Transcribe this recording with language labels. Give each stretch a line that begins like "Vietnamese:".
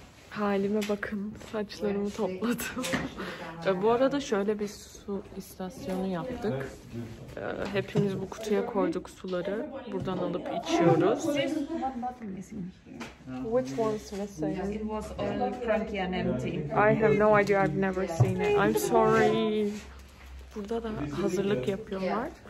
Turkish: Halime bakın, saçlarımı topladım. Bu arada şöyle bir su istasyonu yaptık. Hepimiz bu kutuya koyduk suları. Buradan alıp içiyoruz.
English: Which one's missing? It was all cranky and empty. I have no idea, I've never seen it. I'm sorry.
Turkish: Burada da hazırlık yapıyorlar.